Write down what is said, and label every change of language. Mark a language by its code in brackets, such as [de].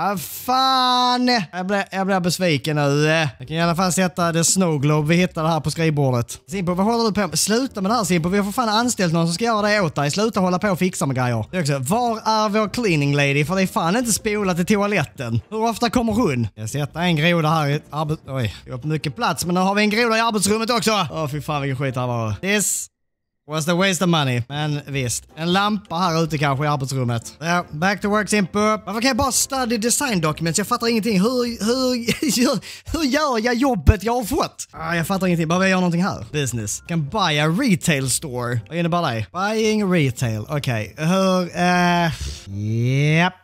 [sv] Fan. Jag blir besviken nu. Jag kan i alla fall sätta det snow globe vi hittade här på skrivbordet. Simpo, vad håller du på med? Sluta med det här, Simpo. Vi har för fan anställt någon som ska göra det åt dig. Sluta hålla på och fixa med grejer. Det är också, var är vår cleaning lady? För det är fan inte spolat i toaletten. Hur ofta kommer hon? Jag sätter en groda här i oj, det är mycket plats. Men nu har vi en groda i arbetsrummet också. Åh, fy fan, vilken skit här var. [en] This was the waste of money. [sv] Men visst. En lampa här ute kanske i arbetsrummet. Yeah, [en] back to work, [sv] Simpo. Varför kan jag bara study design documents? Jag fattar ingenting. Hur gör jag jobbet jag har fått? Jag fattar ingenting. Behöver jag göra någonting här? [en] Business. Can buy a retail store. [sv] Vad innebär det? [en] Buying retail. Okej. Okay. Hur? Yep.